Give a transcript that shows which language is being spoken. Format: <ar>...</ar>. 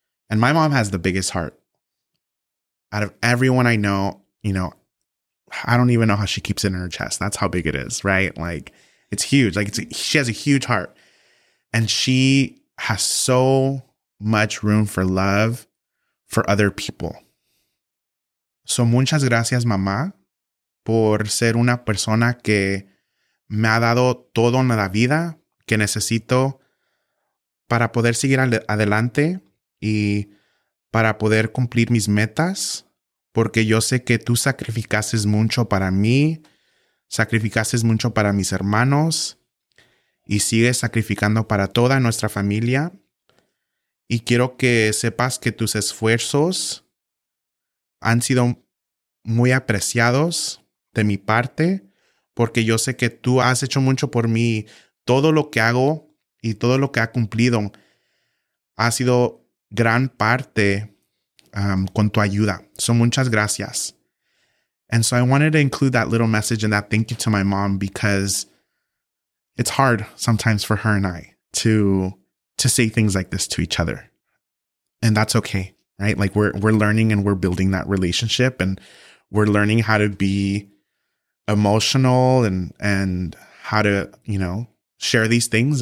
<en>And my mom has the biggest heart. Out of everyone I know, you know, I don't even know how she keeps it in her chest. That's how big it is, right? Like, it's huge. Like, she has a huge heart. And she has so much room for love for other people.</en> <es>So muchas gracias, mamá, por ser una persona que me ha dado todo en la vida que necesito para poder seguir adelante y para poder cumplir mis metas. Porque yo sé que tú sacrificaste mucho para mí, sacrificaste mucho para mis hermanos y sigues sacrificando para toda nuestra familia. Y quiero que sepas que tus esfuerzos han sido muy apreciados de mi parte, porque yo sé que tú has hecho mucho por mí. Todo lo que hago y todo lo que ha cumplido ha sido gran parte con tu ayuda. So muchas gracias.</es> <en>And so I wanted to include that little message and that thank you to my mom because it's hard sometimes for her and I to say things like this to each other. And that's okay, right? Like we're learning and we're building that relationship and we're learning how to be emotional and how to, you know, share these things.</en>